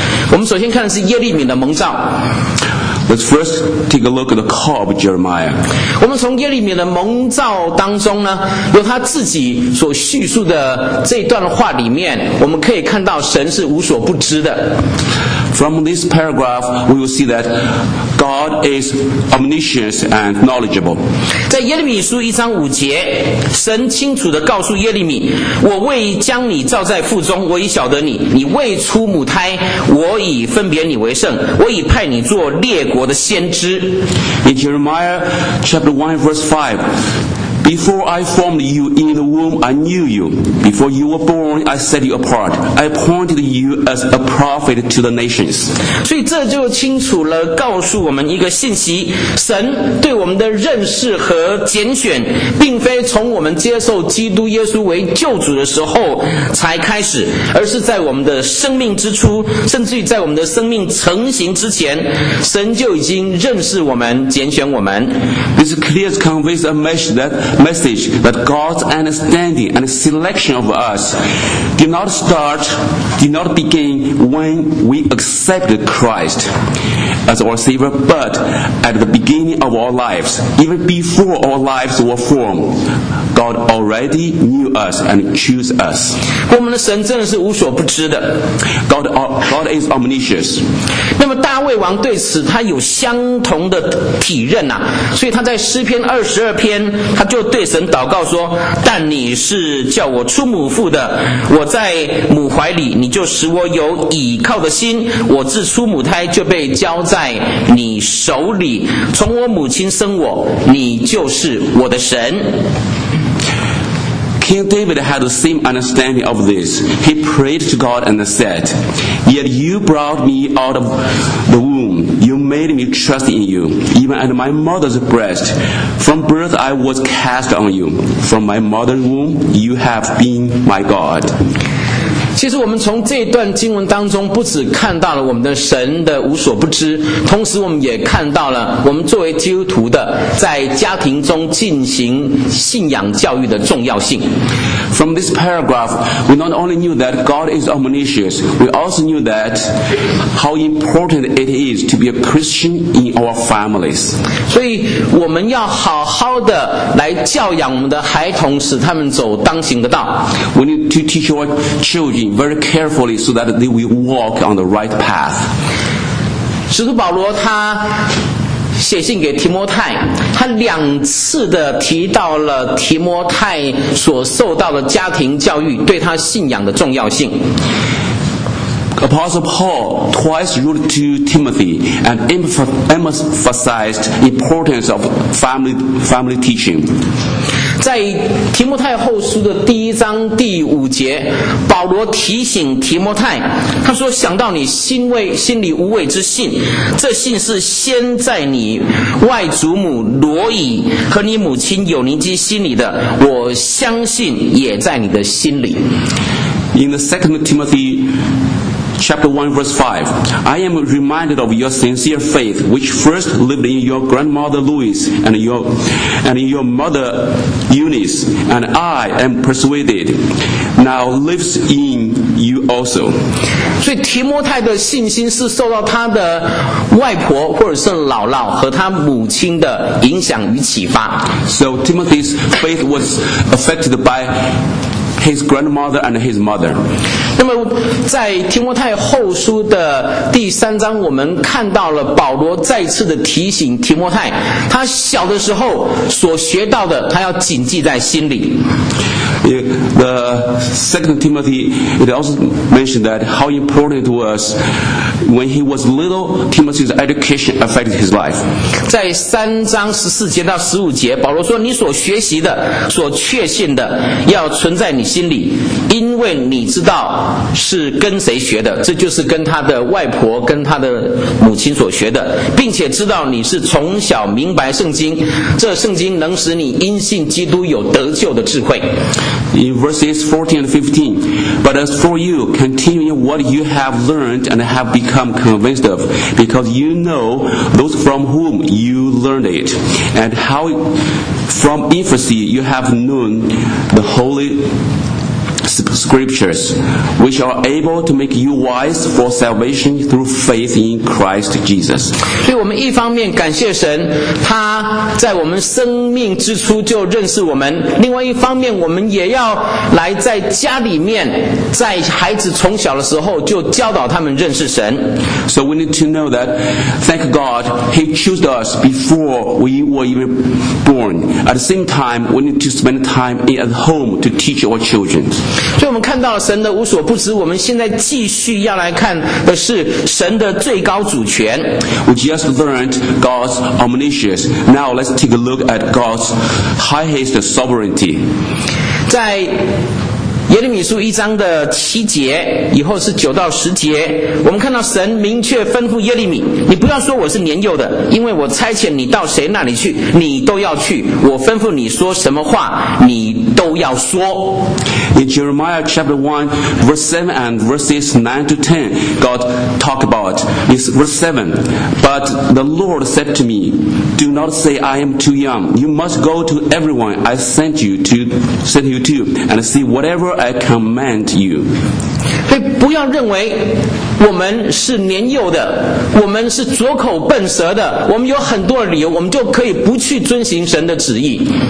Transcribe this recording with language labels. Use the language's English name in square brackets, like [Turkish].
[Chinese] 我们首先看的是耶利米的蒙召。 [English] Let's first take a look at the call of Jeremiah. [Chinese] 我们从耶利米的蒙召当中呢，由他自己所叙述的这段话里面，我们可以看到神是无所不知的。 [English] From this paragraph, we will see that God is omniscient and knowledgeable. [Chinese] 在耶利米书一章五节，神清楚地告诉耶利米：“我未将你造在腹中，我已晓得你；你未出母胎，我已分别你为圣；我已派你做列国的先知。” [English] In Jeremiah chapter 1 verse 5. Before I formed you in the womb, I knew you. Before you were born, I set you apart. I appointed you as a prophet to the nations. [Chinese] 所以这就清楚了告诉我们一个信息，神对我们的认识和拣选，并非从我们接受基督耶稣为救主的时候才开始，而是在我们的生命之初，甚至于在我们的生命成型之前，神就已经认识我们，拣选我们。 [English] This clearly conveys a message that God's understanding and selection of us did not begin when we accepted Christ as our Savior, but at the beginning of our lives, even before our lives were formed, God already knew us and chose us. [Chinese] 我们的神真的是无所不知的。 [English] God is omniscient. [Chinese] 那么大卫王对此他有相同的体认啊，所以他在诗篇二十二篇他就对神祷告说：“但你是叫我出母腹的，我在母怀里，你就使我有倚靠的心。我自出母胎就被交在你手里，从我母亲生我，你就是我的神。” [English] King David had the same understanding of this. He prayed to God and said, "Yet you brought me out of the womb. You made me trust in you, even at my mother's breast. From birth I was cast on you. From my mother's womb you have been my God." [Chinese] 其实我们从这段经文当中，不只看到了我们的神的无所不知，同时我们也看到了我们作为基督徒的在家庭中进行信仰教育的重要性。 [English] From this paragraph, we not only knew that God is omniscient, we also knew that how important it is to be a Christian in our families. [Chinese] 所以我们要好好的来教养我们的孩童，使他们走当行的道。 [English] We need to teach our children very carefully so that they will walk on the right path. [Chinese] 使徒保罗他写信给提摩太，他两次的提到了提摩太所受到的家庭教育对他信仰的重要性。 [English] Apostle Paul twice wrote to Timothy and emphasized the importance of family teaching. [Chinese] 在提摩太后书的第一章第五节，保罗提醒提摩太，他说：“想到你心里无畏之信，这信是先在你外祖母罗以和你母亲有尼基心里的，我相信也在你的心里。” [English] In the second Timothy. Chapter 1, verse 5. I am reminded of your sincere faith, which first lived in your grandmother Louise and in your mother Eunice, and I am persuaded now lives in you also. [Chinese] 所以提摩太的信心是受到他的外婆或者是姥姥和他母亲的影响与启发。 [English] So Timothy's faith was affected by his grandmother and his mother. [Chinese] 那么在提摩太后书的第三章，我们看到了保罗再次的提醒提摩太，他小的时候所学到的他要谨记在心里。 [English] The second Timothy, it also mentioned that how important it was when he was little, Timothy's education affected his life. [Chinese] 在三章十四节到十五节，保罗说：“你所学习的、所确信的，要存在你心里，因为你知道是跟谁学的，这就是跟他的外婆、跟他的母亲所学的，并且知道你是从小明白圣经，这圣经能使你因信基督有得救的智慧。” [English] In verses 14 and 15, but as for you, continue in what you have learned and have become convinced of, because you know those from whom you learned it, and how from infancy you have known the holy scriptures, which are able to make you wise for salvation through faith in Christ Jesus. [Chinese] 所以我们一方面感谢神，他在我们生命之初就认识我们，另外一方面我们也要来在家里面，在孩子从小的时候就教导他们认识神。 [English] So we need to know that, thank God, he chose us before we were even born. At the same time, we need to spend time at home to teach our children. [Chinese] 所以我们看到神的无所不知，我们现在继续要来看的是神的最高主权。 [English] We just learned God's omniscience. Now let's take a look at God's highest sovereignty. [Chinese] 在耶利米书一章的七节以后是九到十节，我们看到神明确吩咐耶利米，你不要说我是年幼的，因为我差遣你到谁那里去你都要去，我吩咐你说什么话你都要说。 [English] In Jeremiah chapter 1 verse 7 and verses 9 to 10 God talked about is verse 7, but the Lord said to me, do not say I am too young, you must go to everyone I sent you to and see whateverI command you. [Chinese] 所以不要认为我们是年幼的，我们是拙口笨舌的，我们有很多理由，我们就可以不去遵行神的旨意。